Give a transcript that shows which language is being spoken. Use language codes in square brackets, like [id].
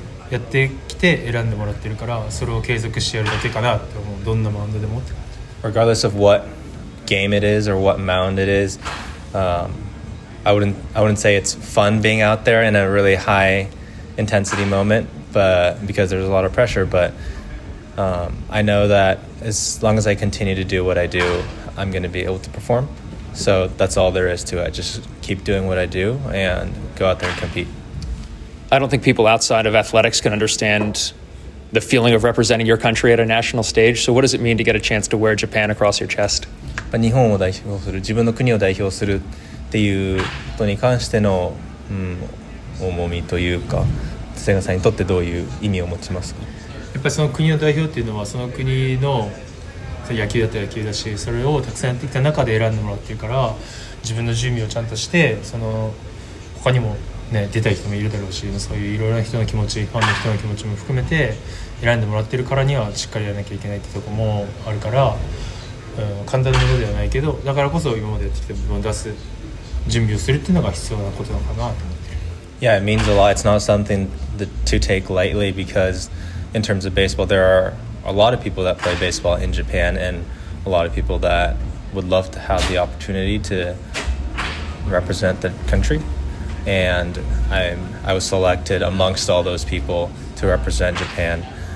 [ja] やってきて選んでもらってるからそれを継続してやるだけかなって思う。どんなマウンドでも [en] Regardless of what game it is or what mound it is、I wouldn't say it's fun being out there in a really high intensity moment but because there's a lot of pressure but、I know that as long as I continue to do what I do I'm going to be able to performSo that's all there is to it. Just keep doing what I do and go out there and compete. I don't think people outside of athletics can understand the feeling of representing your country at a national stage. So what does it mean to get a chance to wear Japan across your chest? [ja] 日本を代表する、自分の国を代表するっていうことに関しての、うん、重みというか、瀬川さんにとってどういう意味を持ちますか？やっぱりその国を代表っていうのはその国の野球だったら野球だしそれをたくさんやってきた中で選んでもらってるから自分の準備をちゃんとしてその他にも、ね、出たい人もいるだろうしそういういろいろな人の気持ちファンの人の気持ちも含めて選んでもらってるからにはしっかりやらなきゃいけないってとこもあるから、うん、簡単なものではないけどだからこそ今までやってきた部分を出す準備をするっていうのが必要なことなのかなと思ってる。 [en] Yeah, it means a lot. It's not something to take lightly because in terms of baseball there areA lot of people that play baseball in Japan and a lot of people that would love to have the opportunity to represent the country. And I was selected amongst all those people to represent Japan.